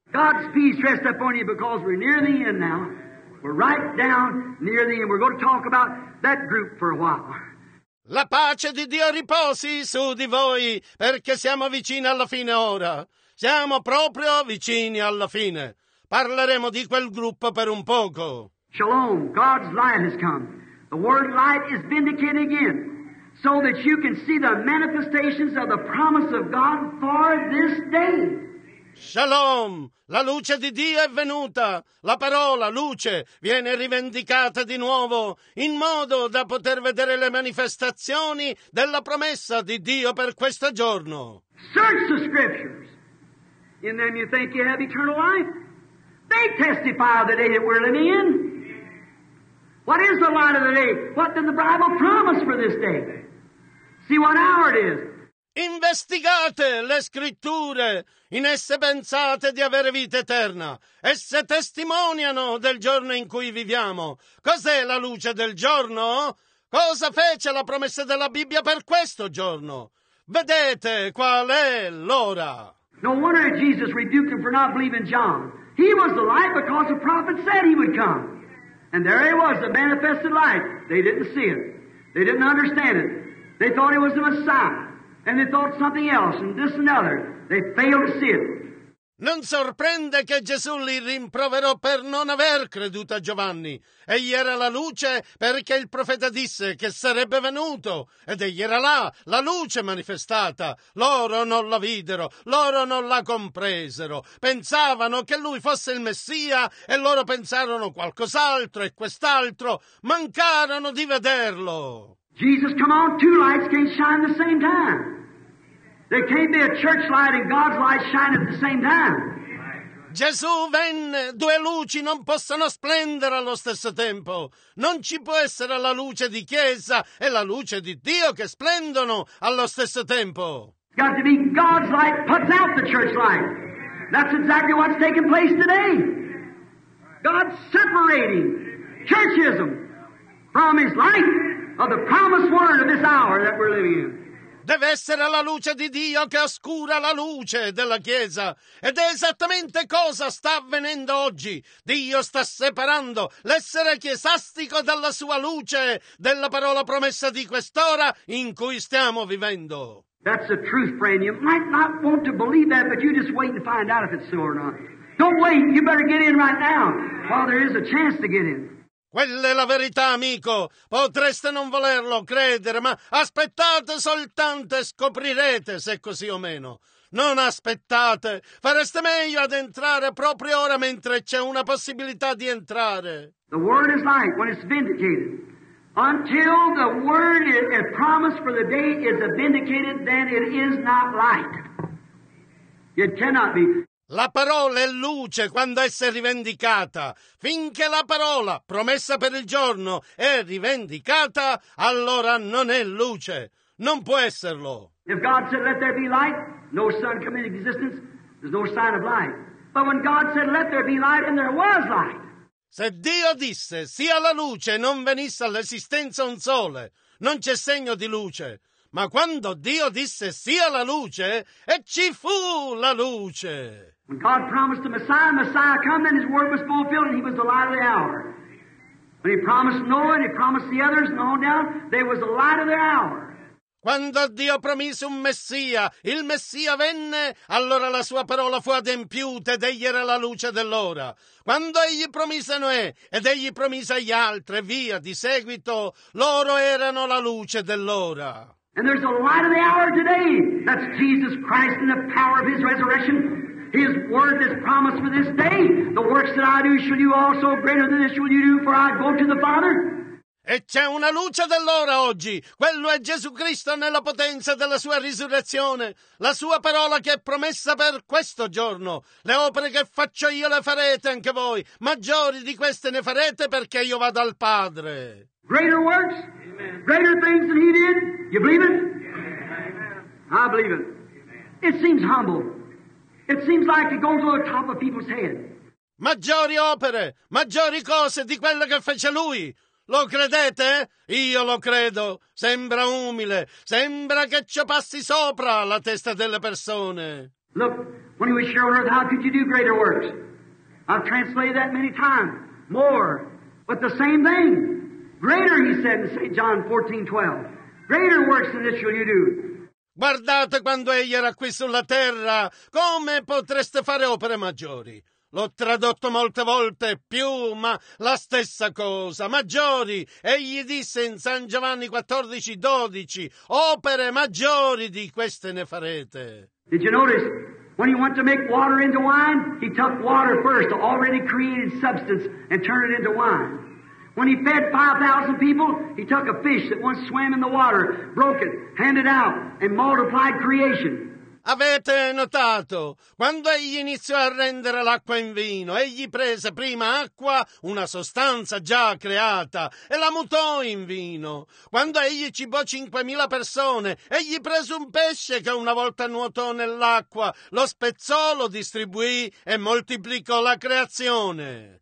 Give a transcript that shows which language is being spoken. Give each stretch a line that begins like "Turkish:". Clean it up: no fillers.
English: God's peace rest upon you because we're near the end now. We're right down near the end. We're going to talk about that group for a while.
Italian: La pace di Dio riposi su di voi, perché siamo vicini alla fine ora. Siamo proprio vicini alla fine. Parleremo di quel gruppo per un poco.
English: Shalom, God's light has come. The word light is vindicated again, so that you can see the manifestations of the promise of God for this day.
Italian: Shalom, la luce di Dio è venuta. La parola luce viene rivendicata di nuovo, in modo da poter vedere le manifestazioni della promessa di Dio per questo giorno.
English: Search the scriptures. In them you think you have eternal life. They testify of the day that we're living in. What is the light of the day? What did the Bible promise for this day? See what hour it is.
Italian: Investigate le scritture. In esse pensate di avere vita eterna. Esse testimoniano del giorno in cui viviamo. Cos'è la luce del giorno? Cosa fece la promessa della Bibbia per questo giorno? Vedete qual è l'ora.
English: No wonder Jesus rebuked him for not believing John. He was the light because the prophet said he would come. And there he was, the manifested light. They didn't see it. They didn't understand it. They thought he was the Messiah. And they thought something else, and this and other. They failed to see it.
Italian: Non sorprende che Gesù li rimproverò per non aver creduto a Giovanni. Egli era la luce perché il profeta disse che sarebbe venuto. Ed egli era là, la luce manifestata. Loro non la videro, loro non la compresero. Pensavano che lui fosse il Messia e loro pensarono qualcos'altro e quest'altro. Mancarono di vederlo.
English: Jesus, come on, two lights can't shine the same time. There can't be a church light and God's light shine at the same time.
Italian: Gesù venne, due luci non possono splendere allo stesso tempo. Non ci può essere la luce di Chiesa e la luce di Dio che splendono allo stesso tempo.
English: It's got to be God's light puts out the church light. That's exactly what's taking place today. God's separating churchism from His light of the promised word of this hour that we're living in.
Italian: Deve essere la luce di Dio che oscura la luce della Chiesa. Ed è esattamente cosa sta avvenendo oggi. Dio sta separando l'essere chiesastico dalla sua luce, della parola promessa di quest'ora in cui stiamo vivendo.
English: That's the truth, friend. You might not want to believe that, but you just wait and find out if it's so or not. Don't wait, you better get in right now, while there is a chance to get in.
Italian: Quella è la verità, amico. Potreste non volerlo credere, ma aspettate soltanto e scoprirete se è così o meno. Non aspettate. Fareste meglio ad entrare proprio ora mentre c'è una possibilità di entrare.
English: The word is light when it's vindicated. Until the word and promise for the day is vindicated, then it is not light. It cannot be.
Italian: La parola è luce quando essa è rivendicata. Finché la parola, promessa per il giorno, è rivendicata, allora non è luce. Non può esserlo.
English: If God said, let there be light, no sun come into existence, there's no sign of light. But when God said, let there be light, and there was light.
Italian: Se Dio disse, sia la luce, non venisse all'esistenza un sole, non c'è segno di luce. Ma quando Dio disse sia la luce, e ci fu la luce.
English: When God promised the Messiah, Messiah come, then His word was fulfilled, and He was the light of the hour. When He promised Noah, and He promised the others, and on down, there was the light of the hour.
Italian: Quando Dio promise un Messia, il Messia venne, allora la sua parola fu adempiuta ed egli era la luce dell'ora. Quando egli promise Noè ed egli promise agli altri, via, di seguito, loro erano la luce dell'ora.
English: And there's the light of the hour today. That's Jesus Christ in the power of His resurrection. His word that's promised for this day. The works that I do shall you also, greater than this shall you do, for I go to the Father.
Italian: E c'è una luce dell'ora oggi. Quello è Gesù Cristo nella potenza della sua risurrezione. La sua parola che è promessa per questo giorno. Le opere che faccio io le farete anche voi. Maggiori di queste ne farete perché io vado al Padre.
English: Greater works? Greater things than He did? You believe it? Amen. I believe it. It seems humble. It seems like it goes over the top of people's head.
Italian: Maggiori opere, maggiori cose di quelle che fece Lui. Lo credete? Io lo credo. Sembra umile. Sembra che ci passi sopra la testa delle persone.
English: Look, when He was here on earth, how could you do greater works? I've translated that many times. More. But the same thing. Greater, He said in St. John 14:12. Greater works than this shall you do.
Italian: Guardate quando egli era qui sulla terra, come potreste fare opere maggiori? L'ho tradotto molte volte, più, ma la stessa cosa, maggiori. Egli disse in San Giovanni 14:12, opere maggiori di queste ne farete.
English: Did you notice, when he went to make water into wine, he took water first, the already created substance, and turned it into wine. When he fed 5,000 people, he took a fish that once swam in the water, broke it, handed out, and multiplied creation.
Italian: Avete notato? Quando egli iniziò a rendere l'acqua in vino, egli prese prima acqua, una sostanza già creata, e la mutò in vino. Quando egli cibò 5,000 persone, egli prese un pesce che una volta nuotò nell'acqua, lo spezzò, lo distribuì e moltiplicò la creazione.